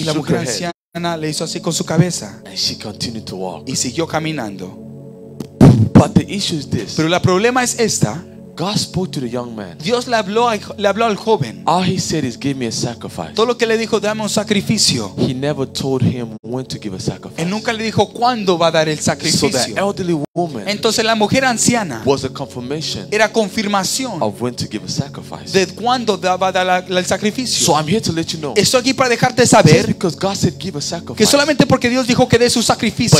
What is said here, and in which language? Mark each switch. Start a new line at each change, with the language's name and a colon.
Spanish: y la mujer anciana le hizo así con su cabeza.
English: And she continued to walk.
Spanish: Y siguió caminando.
English: But the issue is this.
Spanish: Pero el problema es esta.
English: God spoke to the young man.
Spanish: Dios le habló al joven.
English: All he said is, give me a sacrifice.
Spanish: Todo lo que le dijo, dame un sacrificio.
English: He never told him when to give a sacrifice.
Spanish: Él nunca le dijo cuándo va a dar el sacrificio.
English: So the elderly woman, woman,
Spanish: entonces la mujer anciana,
English: was a confirmation,
Spanish: era confirmación,
English: of when to give a sacrifice,
Spanish: de cuándo daba el sacrificio.
English: So I'm here to let you know,
Spanish: estoy aquí para dejarte saber,
English: because God said give a sacrifice,
Spanish: que solamente porque Dios dijo que dé su sacrificio.